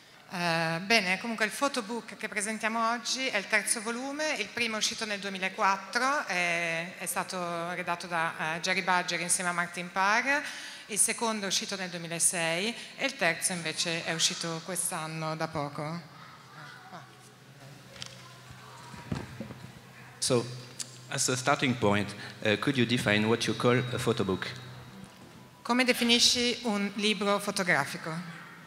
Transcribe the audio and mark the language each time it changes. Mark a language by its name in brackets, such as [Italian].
[Italian] Bene, comunque il photobook che presentiamo oggi è il terzo volume, il primo è uscito nel 2004, è stato redatto da Jerry Badger insieme a Martin Parr, il secondo è uscito nel 2006 e il terzo invece è uscito quest'anno da poco. [English] So, as a starting point, could you define what you call a photobook? [Italian] Come definisci un libro fotografico?